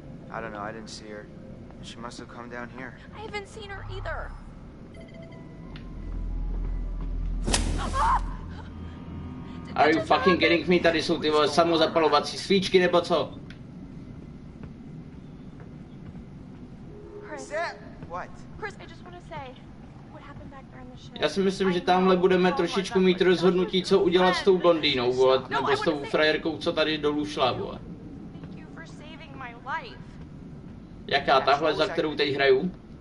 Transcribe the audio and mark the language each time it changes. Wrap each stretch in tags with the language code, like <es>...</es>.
<en>I don't know, I didn't see her. She must have come down here. I haven't seen her either. Are you fucking kidding me?</en> <cs>Tady jsou ty samozapalovací svíčky nebo co?</cs> <en>Chris, what? Chris, I just want to say what happened back there on the ship.</en> <cs>Já si myslím, že tamhle budeme trošičku mít rozhodnutí, co udělat s tou blondýnou, vole, nebo s tou frajerkou, co tady dolů šla, vole.</cs> <en>Thank you for saving my life.</en> <cs>Jaká tahle, za kterou teď hraju?</cs>